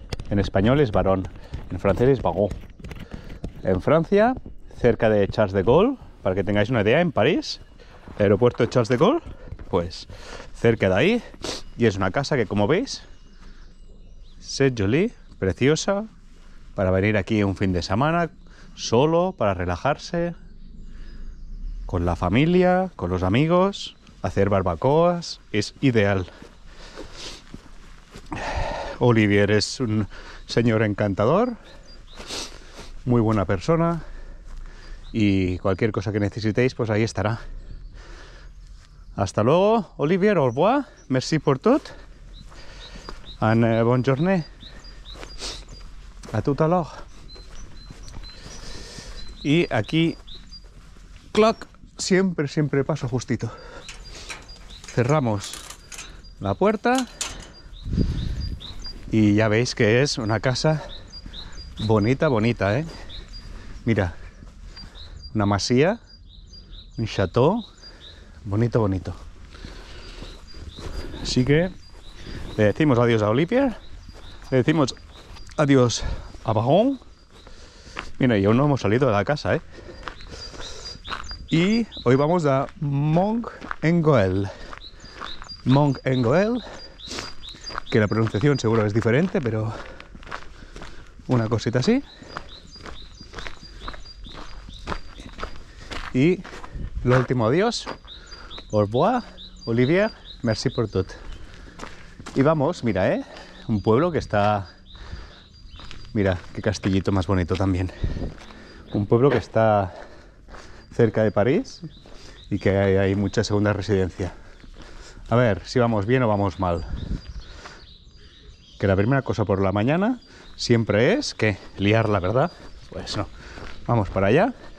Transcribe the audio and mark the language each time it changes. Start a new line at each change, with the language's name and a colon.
Spanish: En español es Barón, en francés es Vagó. En Francia, cerca de Charles de Gaulle, para que tengáis una idea, en París, el aeropuerto de Charles de Gaulle, pues cerca de ahí, y es una casa que, como veis,
French: c'est joli,
Spanish: preciosa, para venir aquí un fin de semana solo, para relajarse con la familia, con los amigos, hacer barbacoas, es ideal. Olivier es un señor encantador, muy buena persona, y cualquier cosa que necesitéis, pues ahí estará. Hasta luego,
French: Olivier, au revoir, merci por tout, and bonne journée, à tout à l'heure.
Spanish: Y aquí, clock, siempre, siempre paso justito. Cerramos la puerta y ya veis que es una casa bonita, bonita, ¿eh? Mira, una masía, un château, bonito, bonito. Así que le decimos adiós a Olivier, le decimos adiós a Vagón. Mira, y aún no hemos salido de la casa, ¿eh? Y hoy vamos a Mont-en-Goël. Mont-en-Goël, que la pronunciación seguro es diferente, pero una cosita así. Y lo último, adiós.
French: Au revoir, Olivier, merci pour tout.
Spanish: Y vamos, mira, un pueblo que está. Mira, qué castillito más bonito también. Un pueblo que está cerca de París y que hay mucha segunda residencia. A ver si vamos bien o vamos mal. Que la primera cosa por la mañana siempre es que liarla, ¿verdad? Pues no. Vamos para allá.